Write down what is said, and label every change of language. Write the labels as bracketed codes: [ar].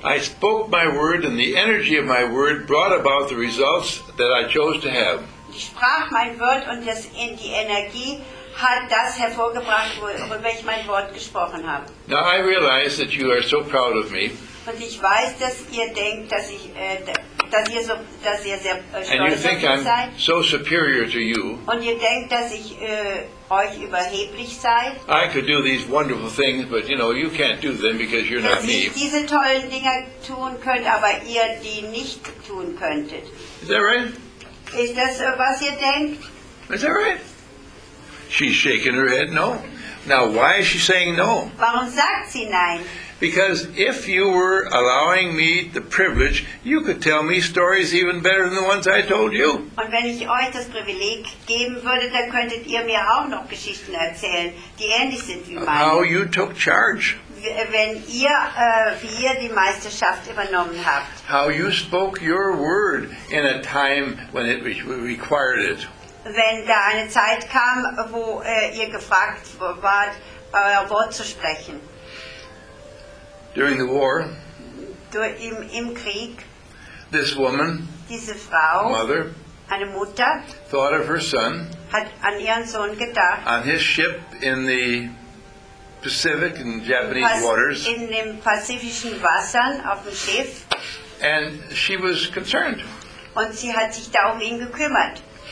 [en] I spoke my word and the energy of my word brought about the results that I chose to have. [de] Ich sprach mein Wort und das in die Energie hat das hervorgebracht, worüber ich mein Wort gesprochen habe. [en] Now I realize that you are so proud of me. [de] Und ich weiß, dass ihr denkt, dass ich [en] and you think I'm so superior to you. [de] Und ihr denkt, dass ich euch überheblich sei. [en] I could do these wonderful things, but you know, you can't do them because you're not me. [de] Dass ich diese tollen Dinge tun könnte, aber ihr die nicht tun könntet. [en] Is that right? [de] Ist das, was ihr denkt? [en] Is that right? She's shaking her head no. Now, why is she saying no? [de] Warum sagt sie nein? [en] Because if you were allowing me the privilege, you could tell me stories even better than the ones I told you. [de] Und wenn ich euch das Privileg geben würde, dann könntet ihr mir auch noch Geschichten erzählen, die ähnlich sind wie meine. [en] How you took charge. [de] Wenn ihr, wie ihr die Meisterschaft übernommen habt. [en] How you spoke your word in a time when it required it. [de] Wenn da eine Zeit kam, wo ihr gefragt wart, euer Wort zu sprechen. [en] During the war, [de] Im Krieg, [en] this woman, [de] diese Frau, [en] mother, [de] eine Mutter, [en] thought of her son, [de] hat an ihren Sohn gedacht, [en] on his ship in the Pacific and Japanese waters, [de] in dem pazifischen Wassern auf dem Schiff, [en] and she was concerned. [de] Und sie hat sich da um ihn gekümmert.